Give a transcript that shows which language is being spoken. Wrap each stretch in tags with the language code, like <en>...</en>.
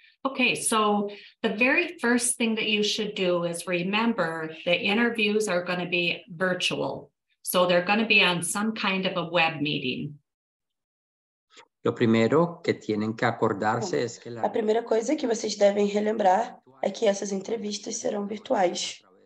<en>Okay, so the very first thing that you should do is remember that interviews are going to be virtual. So they're going to be on some kind of a web meeting.</en> <es>Lo primero que tienen que acordarse es que la primera cosa que</es> <pt>vocês devem relembrar é que essas entrevistas serão virtuais.</pt>